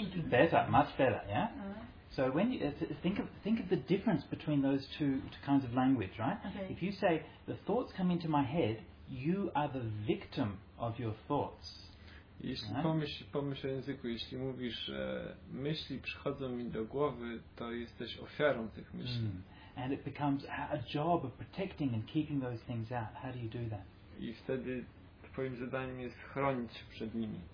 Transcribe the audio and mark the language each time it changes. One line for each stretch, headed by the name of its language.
English: Better, much better, yeah? Uh-huh. So when you think of the difference between those two kinds of language, right? Okay. If you say the thoughts come into my head, you are the victim of your thoughts.
Polish: Jeśli pomyśl o języku, jeśli mówisz, że myśli przychodzą mi do głowy, to jesteś ofiarą tych myśli. Mm.
English: And it becomes a job of protecting and keeping those things out. How do you do that?
Polish: I wtedy twoim zadaniem jest chronić przed nimi.